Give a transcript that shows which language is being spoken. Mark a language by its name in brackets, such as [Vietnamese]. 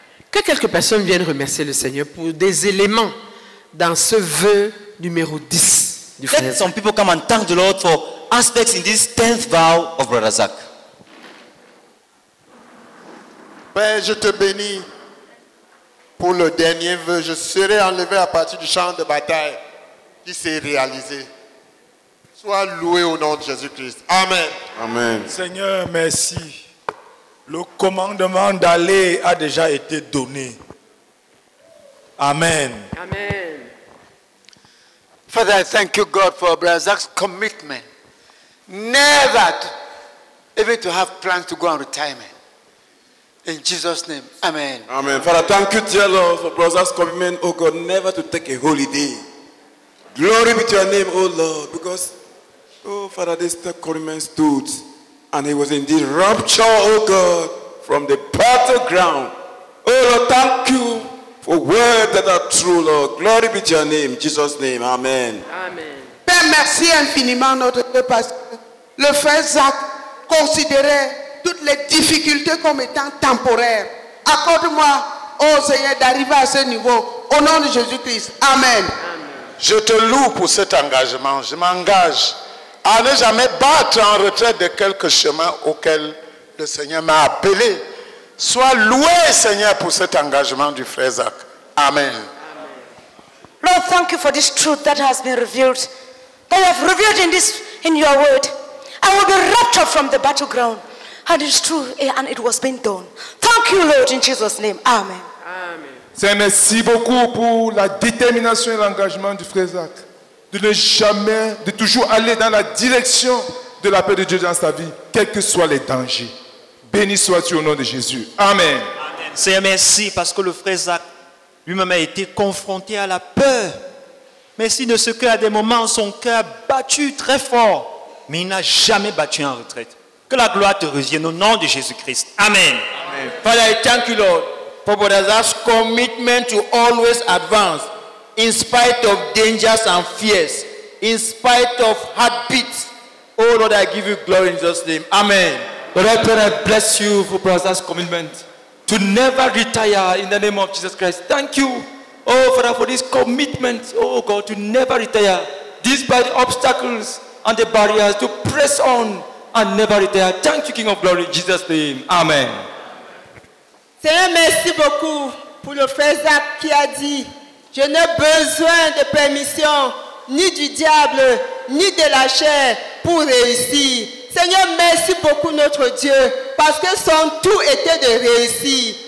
[French] Que quelques personnes viennent remercier le Seigneur pour des éléments dans ce vœu numéro 10 du frère. [English] Some people come and thank the Lord for aspects in this 10th vow of Brother Zach. [French] Père, je te bénis pour le dernier vœu. Je serai enlevé à partir du champ de bataille qui s'est réalisé. Sois loué au nom de Jésus-Christ. Amen. Amen. Seigneur, merci. Le commandement d'aller a déjà été donné. Amen. Amen. [English] Father, I thank you, God, for Brother Zach's commitment. Never to, even to have plans to go on retirement. In Jesus' name, amen. Amen. Father, thank you, dear Lord, for brother's commitment, oh God, never to take a holiday. Glory be to your name, oh Lord, because Oh, Father, this countryman stood, and he was indeed raptured, oh God, from the battleground. Oh Lord, thank you for words that are true, Lord. Glory be to your name, Jesus' name. Amen. Amen. [French] Père, merci infiniment, notre Dieu, parce que le frère Zach considérait toutes les difficultés comme étant temporaires. Accorde-moi, oh Seigneur, d'arriver à ce niveau. Au nom de Jésus-Christ. Amen. Amen. Je te loue pour cet engagement. Je m'engage à ne jamais battre en retrait de quelques chemins auxquels le Seigneur m'a appelé. Sois loué, Seigneur, pour cet engagement du frère Zach. Amen. Amen. [English] Lord, thank you for this truth that has been revealed. That you have revealed in this, in your word. I will be raptured from the battleground. And it's true, and it was being done. Thank you, Lord, in Jesus' name. Amen. Amen. [French] Seigneur, merci beaucoup pour la détermination et l'engagement du frère Zach. De ne jamais, de toujours aller dans la direction de la paix de Dieu dans sa vie, quels que soient les dangers. Béni sois-tu au nom de Jésus. Amen. Amen. Seigneur, merci parce que le frère Zach lui-même a été confronté à la peur. Merci de ce qu'à des moments, son cœur a battu très fort, mais il n'a jamais battu en retraite. Que la gloire te revienne au nom de Jésus-Christ. Amen. [English] Amen. Father, I thank you, Lord, for Brother Zach's commitment to always advance in spite of dangers and fears, in spite of heartbeats. Oh, Lord, I give you glory in Jesus' name. Amen. Lord, I pray and bless you for Brother Zach's commitment to never retire in the name of Jesus Christ. Thank you, oh, Father, for this commitment, oh, God, to never retire despite the obstacles and the barriers, to press on and never retire. Thank you, King of Glory, in Jesus' name. Amen. [French] Seigneur, merci beaucoup pour le frère Zach qui a dit: je n'ai besoin de permission ni du diable ni de la chair pour réussir. Seigneur, merci beaucoup, notre Dieu, parce que son tout était de réussir.